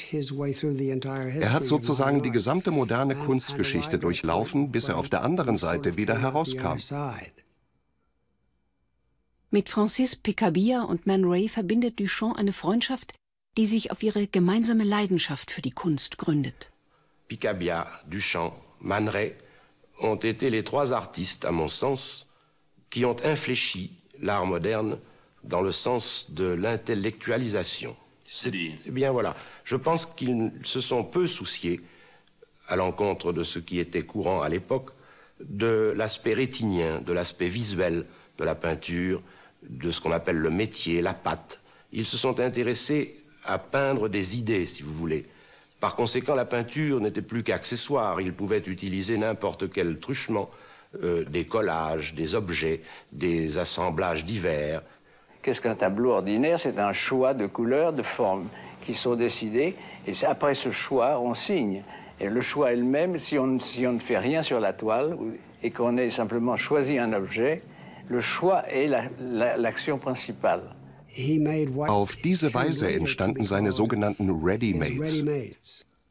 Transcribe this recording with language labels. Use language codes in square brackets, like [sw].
[de] Er hat sozusagen die gesamte moderne Kunstgeschichte durchlaufen, bis er auf der anderen Seite wieder herauskam. Mit Francis Picabia und Man Ray verbindet Duchamp eine Freundschaft, die sich auf ihre gemeinsame Leidenschaft für die Kunst gründet. [fr] Picabia, Duchamp, Man Ray ont été les trois artistes, à mon sens, qui ont infléchi l'art moderne dans le sens de l'intellectualisation. Eh bien voilà, je pense qu'ils se sont peu souciés, à l'encontre de ce qui était courant à l'époque, de l'aspect rétinien, de l'aspect visuel de la peinture, de ce qu'on appelle le métier, la patte. Ils se sont intéressés à peindre des idées, si vous voulez. Par conséquent, la peinture n'était plus qu'accessoire, ils pouvaient utiliser n'importe quel truchement, des collages, des objets, des assemblages divers. Qu'est-ce qu'un tableau ordinaire? C'est un choix de couleurs, de formes qui sont décidées. Et après ce choix, on signe. Et le choix elle-même, si on ne fait rien sur la toile et qu'on ait simplement choisi un objet, le choix est l'action principale. [de] Auf diese Weise entstanden seine sogenannten Ready-Mades.